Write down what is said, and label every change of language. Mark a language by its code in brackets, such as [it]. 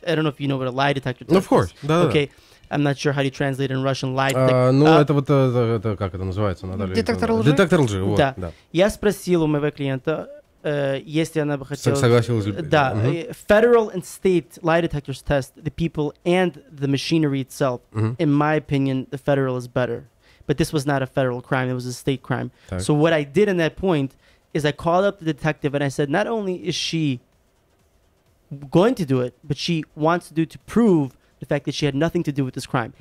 [en] I don't know if you know what a lie detector test is. Of course. [ru] Да, [en] okay. [ru] Да. [en] I'm not sure how you translate in Russian lie. [ru] Это как это называется, Наталья? Детектор лжи. Детектор лжи, вот. Да. Да. Я спросил у моего клиента, если она бы хотела... Согласилась ли? Да. [en] Federal and state lie detectors test the people and the machinery itself. In my opinion, the federal is better. But this was not a federal crime, it was a state crime. [ru] Так. [en] So what I did in that point is I called up the detective and I said, not only is she going to do it, but she wants to do it to prove the fact that she had nothing to do with this crime.